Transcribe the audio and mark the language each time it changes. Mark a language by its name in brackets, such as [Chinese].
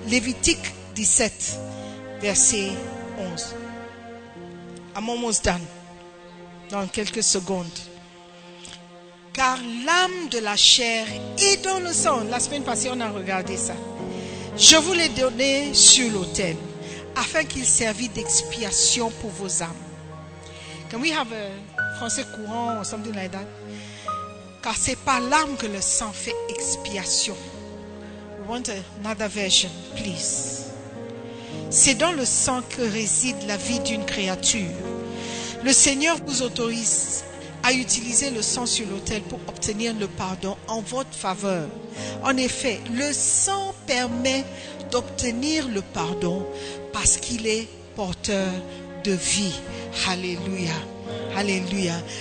[French] Lévitique 17, verset 11. [English] I'm almost done. [French] Dans quelques secondes. Car l'âme de la chair est dans le sang. La semaine passée, on a regardé ça. Je vous l'ai donné sur l'autel, afin qu'il servît d'expiation pour vos âmes. [English] Can we have a français courant or something like that? [French] Car c'est par l'âme que le sang fait expiation. [English] We want another version, please. [French] C'est dans le sang que réside la vie d'une créature. Le Seigneur vous autorise à utiliser le sang sur l'autel pour obtenir le pardon en votre faveur. En effet, le sang permet d'obtenir le pardon parce qu'il est porteur de vie. Alléluia. Alléluia.